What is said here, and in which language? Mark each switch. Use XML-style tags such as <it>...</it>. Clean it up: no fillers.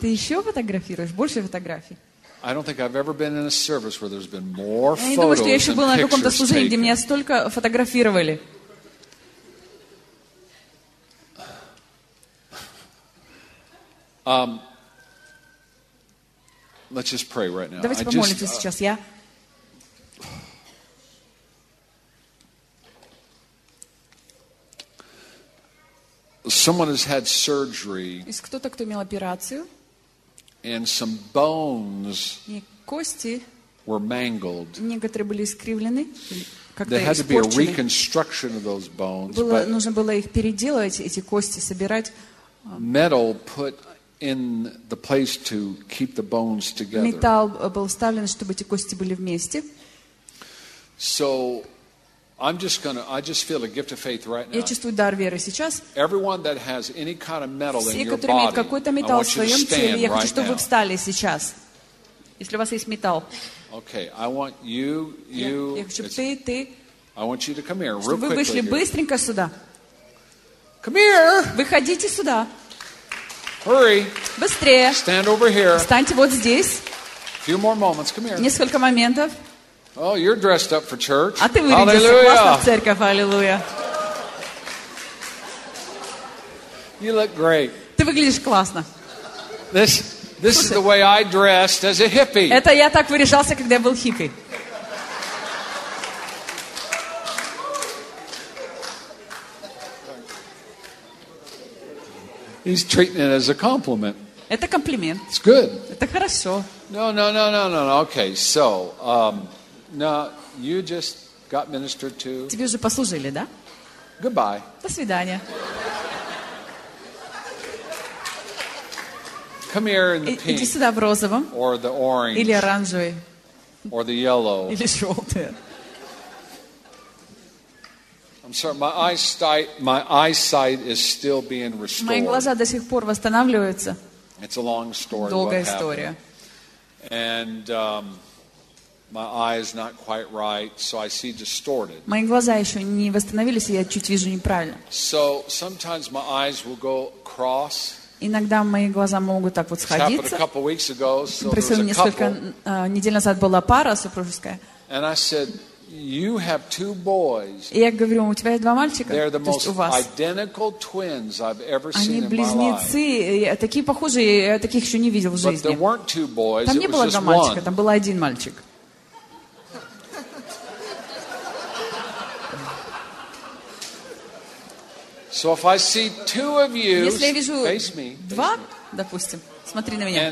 <ru>Ты еще фотографируешь больше фотографий.</ru> <en>I don't think I've ever been in a service where there's been more photos.</en> <ru>Я не думаю, что я еще был на каком-то служении, где меня столько фотографировали.</ru> <en>Let's just pray right now.</en> <ru>Давайте помолимся сейчас. Я.</ru> <en>Someone has had surgery.</en> <ru>Есть кто-то, кто имел операцию?</ru> <en>And some bones.</en> <ru>И кости.</ru> <en>Were mangled.</en> <ru>Некоторые были искривлены.</ru> <en>There had to be a reconstruction of those bones.</en> <ru>Было нужно было их переделывать, эти кости собирать.</ru> <en>Metal put in the place to keep the bones together.</en> <ru>Металл был вставлен, чтобы эти кости были вместе.</ru> <en>So I'm just gonna. I just feel a gift of faith right now.</en> <ru>Я чувствую дар веры сейчас.</ru> <en>Everyone that has any kind of metal in your</en> <ru>Все, которые имеют какой-то металл в своем теле, я хочу, чтобы вы встали сейчас.</ru> <en>Okay, I want you, you.</en> <ru>Я хочу ты.</ru> <en>I want you to come here.</en> <ru>Чтобы вы вышли быстренько сюда.</ru> <en>Come here.</en> <ru>Выходите сюда.</ru> <en>Hurry.</en> <ru>Быстрее.</ru> <en>Stand over here.</en> <ru>Встаньте вот здесь.</ru> <en>Few more moments. Come here.</en> <ru>Несколько моментов.</ru> <en>Oh, you're dressed up for church.</en> <ru>А ты выглядишь классно в церковь, аллилуйя.</ru> <en>You look great.</en> <ru>Ты выглядишь классно.</ru> <en>This is the way I dressed as a hippie.</en> <ru>Это я так выряжался, когда я был хиппи.</ru> <en>He's treating it as a compliment.</en> <ru>Это комплимент.</ru> <en>It's good.</en> <ru>Это хорошо.</ru> <en>No. Okay, so No, you just got ministered to.</en> <ru>Тебе уже послужили, да?</ru> <en>Goodbye.</en> <ru>До свидания.</ru> <en>Come here in the pink.</en> <ru>Иди сюда в розовом.</ru> <en>Or the orange.</en> <ru>Или оранжевый.</ru> <en>Or the yellow.</en> <ru>Или желтый.</ru> <en>I'm sorry, my eyesight is still being restored.</en> <ru>Мои глаза до сих пор восстанавливаются.</ru> <en>It's a long story.</en> <ru>Долгая история.</ru> <en>And My eye is not quite right, so I see distorted.</en> <ru>Мои глаза еще не восстановились, и я чуть вижу неправильно.</ru> <en>So sometimes my eyes will go cross.</en> <ru>Иногда мои глаза могут так вот сходиться. Несколько недель назад была пара супружеская.</ru> <en>And I said, you have two boys.</en> <ru>И я говорю, у тебя есть два мальчика.</ru> <en>They're the most identical twins I've ever seen in my life.</en> <ru>Они близнецы, такие похожие, я таких еще не видел в жизни.</ru> <en>But there weren't two boys.</en> <ru>Там не было два мальчика, там был один мальчик.</ru> <en>So if I see two of you, face me.</en> <ru>Два, допустим, смотри на меня.</ru>